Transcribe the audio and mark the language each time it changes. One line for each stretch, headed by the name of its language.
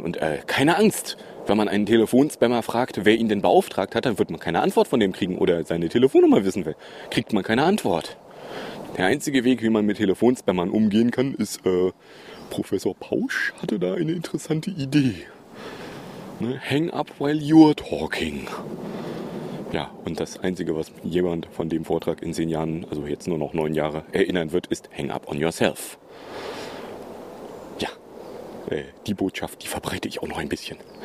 German: Und keine Angst, wenn man einen Telefonspammer fragt, wer ihn denn beauftragt hat, dann wird man keine Antwort von dem kriegen oder seine Telefonnummer wissen will. Kriegt man keine Antwort. Der einzige Weg, wie man mit Telefonspammern umgehen kann, ist, Professor Pausch hatte da eine interessante Idee. Ne?
English: Hang up while you're talking.
German: Ja, und das Einzige, was jemand von dem Vortrag in 10 Jahren, also jetzt nur noch 9 Jahre, erinnern wird, ist
English: Hang up on yourself.
German: Die Botschaft, die verbreite ich auch noch ein bisschen.